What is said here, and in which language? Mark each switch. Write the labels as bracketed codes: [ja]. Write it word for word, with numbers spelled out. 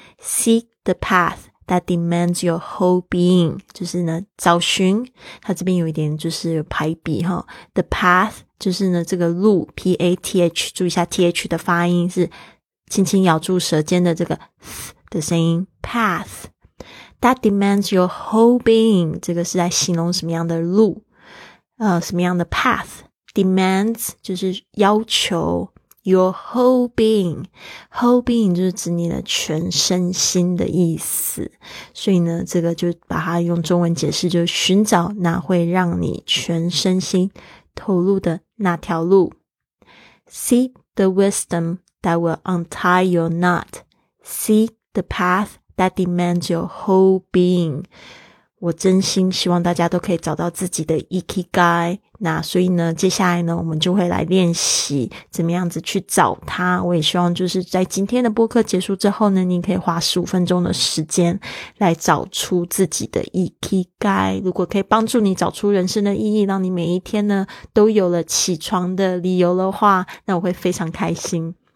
[en] Seek the path that demands your whole being. [zh] 就是呢找寻，它这边有一点就是排比齁。 [en] The path [zh] 就是呢这个路 P A T H， 注意一下 T H 的发音，是轻轻咬住舌尖的这个 th 的声音。 [en] Path that demands your whole being， [zh] 这个是在形容什么样的路，呃，什么样的 [en] path demands [zh] 就是要求 [en] your whole being， [zh] whole being 就是指你的全身心的意思。所以呢，这个就把它用中文解释，就是寻找那会让你全身心投入的那条路。 [en] Seek the wisdom that will untie your knot. Seek the path that demands your whole being. [zh] 我真心希望大家都可以找到自己的 Ikigai。那所以呢，接下来呢我们就会来练习怎么样子去找它。我也希望就是在今天的播客结束之后呢，你可以花十五分钟的时间来找出自己的 Ikigai。如果可以帮助你找出人生的意义，让你每一天呢都有了起床的理由的话，那我会非常开心。